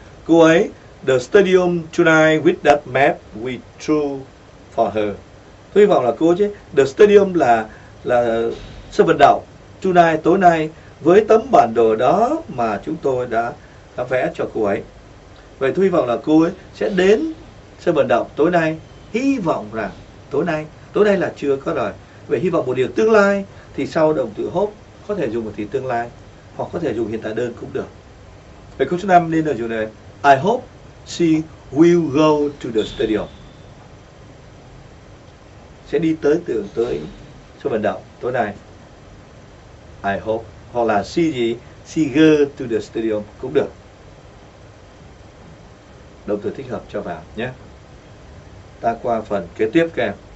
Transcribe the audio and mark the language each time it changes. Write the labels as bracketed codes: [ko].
[vi] Cô ấy, [en] the stadium tonight with that map we drew for her. [vi] Tôi hy vọng là cô chứ. [en] The stadium [vi] là sân vận động. Tonight, tối nay, với tấm bản đồ đó mà chúng tôi đã vẽ cho cô ấy. Vậy tôi hy vọng là cô ấy sẽ đến sân vận động tối nay. Hy vọng rằng tối nay là chưa có rồi. Vậy hy vọng một điều tương lai thì sau động từ hope có thể dùng một từ tương lai hoặc có thể dùng hiện tại đơn cũng được. Vậy câu số 5 nên là dùng này. [en] I hope she will go to the stadium. [vi] Sẽ đi tới sân vận động tối nay. [en] I hope. [vi] Hoặc là she gì? [en] She go to the stadium [vi] cũng được. Động từ thích hợp cho vào nhé. Ta qua phần kế tiếp các em.